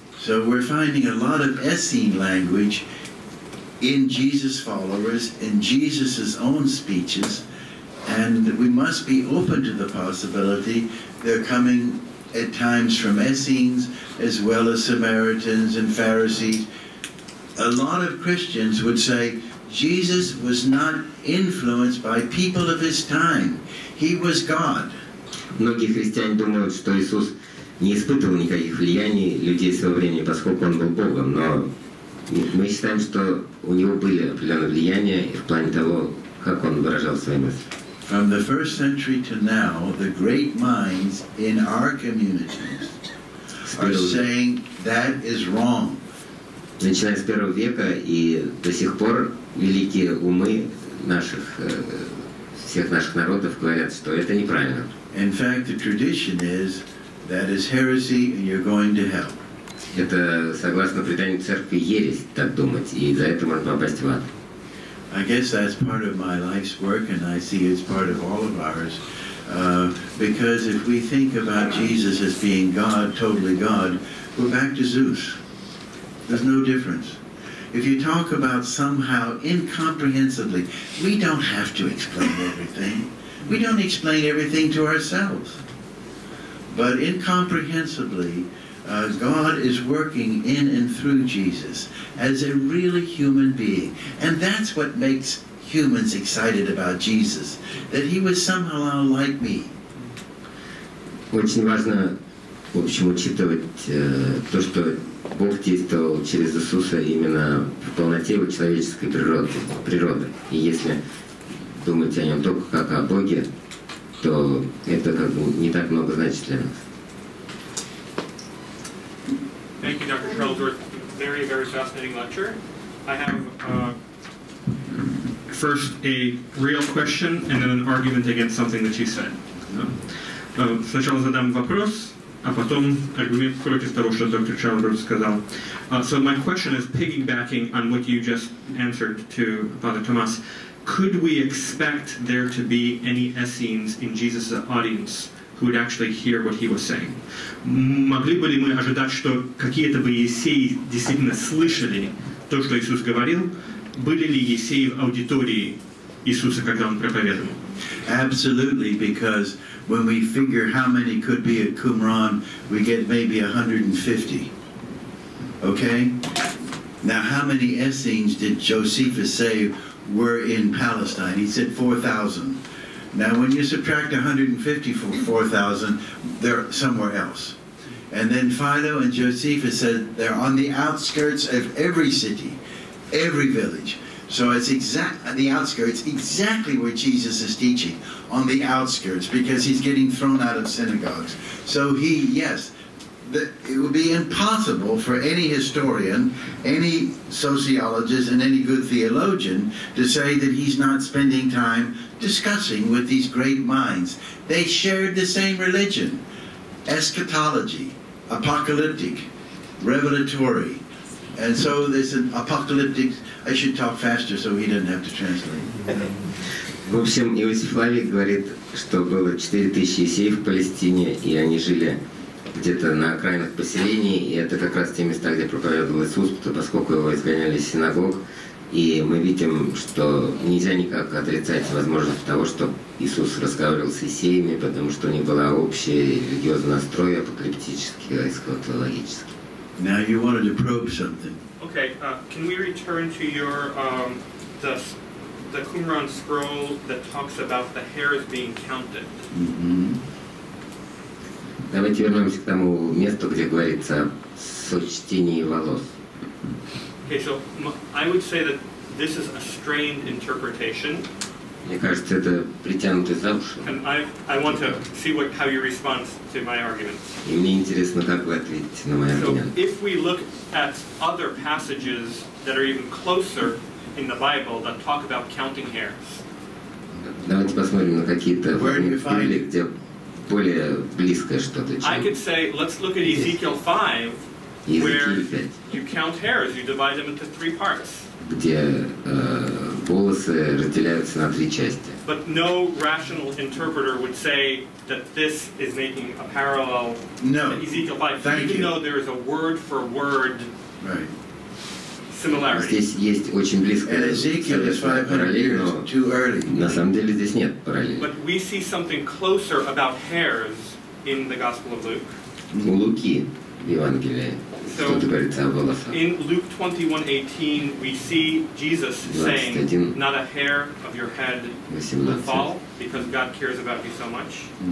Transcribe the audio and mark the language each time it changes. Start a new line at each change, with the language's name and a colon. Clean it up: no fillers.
English: So we're finding a lot of Essene language in Jesus' followers, in Jesus' own speeches, and we must be open to the possibility they're coming at times from Essenes as well as Samaritans and Pharisees. A lot of Christians would say Jesus was not influenced by people of his time. He was God.
Russian: Многие христиане думают, что Иисус не испытывал никаких влияний людей своего времени, поскольку он был Богом, но мы считаем, что у него были определенные влияния в плане того, как он выражал свои мысли.
English: From the first century to now, the great minds in our communities are saying that is wrong.
Russian: Начиная с первого века и до сих пор великие умы наших всех наших народов говорят, что это неправильно.
English: In fact, the tradition is that is heresy, and you're going to hell.
Russian: Это согласно преданию церкви ересь так думать, и за это можно попасть в ад.
English: I guess that's part of my life's work, and I see it's part of all of ours, because if we think about Jesus as being God, totally God, we're back to Zeus. There's no difference. If you talk about somehow incomprehensibly, we don't have to explain everything. We don't explain everything to ourselves. But incomprehensibly, God is working in and through Jesus as a really human being. And that's what makes humans excited about Jesus, that he was somehow like me.
Russian: Очень важно, в общем, учитывать то, что Бог действовал через Иисуса именно в полноте его человеческой природы. И если думать о нем только как о Боге, то это как бы не так много значит для нас.
English: Thank you, Dr. Charlesworth. Very, very fascinating lecture. I have first a real question and then an argument against something that you said.
Russian: Сначала задам вопрос, а потом аргумент против того, что Dr. Charlesworth сказал.
English: So my question is piggybacking on what you just answered to Father Thomas. Could we expect there to be any Essenes in Jesus' audience who would actually hear what he was saying?
Russian: Могли бы ли мы ожидать, что какие-то бы ессеи действительно слышали то, что Иисус говорил? Были ли ессеи в аудитории Иисуса, когда он проповедовал?
English: Absolutely, because when we figure how many could be at Qumran, we get maybe 150. Okay? Now, how many Essenes did Josephus say were in Palestine? He said 4,000. Now, when you subtract 150 from 4,000, they're somewhere else. And then Philo and Josephus said they're on the outskirts of every city, every village. So it's the outskirts, exactly where Jesus is teaching, on the outskirts, because he's getting thrown out of synagogues. So he, yes, it would be impossible for any historian, any sociologist, and any good theologian to say that he's not spending time discussing with these great minds. They shared the same religion, eschatology, apocalyptic, revelatory. And so there's an apocalyptic, I should talk faster so he doesn't have to translate.
Russian: В общем, Иосиф Лавик говорит, что было 4000 евреев в Палестине, и они жили где-то на окраинах поселений, и это как раз те места, где проповедовал Иисус, поскольку его изгоняли из синагог. И мы видим, что нельзя никак отрицать возможность того, что Иисус разговаривал с евреями, потому что у них была общая религиозный настрой, апокалиптический, эсхатологический.
English: Now you wanted to probe something. Okay, can we return to your the Qumran scroll that talks about the hairs being counted?
Russian: Давайте вернемся к тому месту, где говорится о сочтении волос.
English: Okay, so I would say that this is a strained interpretation.
Russian: Мне кажется, это притянутый за уши.
English: And I want to see how you respond to my argument.
Russian: И мне интересно, как вы ответите на мой аргумент.
English: So if we look at other passages that are even closer in the Bible that talk about counting hairs.
Russian: Давайте посмотрим на какие-то фрагменты, где более близкое что-то.
English: I could say, let's look at Ezekiel 5, where you count hairs, you divide them into three parts.
Russian: Где волосы разделяются на три части.
English: But no rational interpreter would say that this is making a parallel no. to Ezekiel 5, Thank even you. Though there is a word for word right. similarity.
Russian: Здесь есть очень близкое параллель, но на самом деле здесь нет параллели.
English: But we see something closer about hairs in the Gospel of Luke.
Russian: У Луки в Евангелии.
English: So, in Luke 21:18, we see Jesus 21, saying, not a hair of your head 18. Will fall, because God cares about you so much.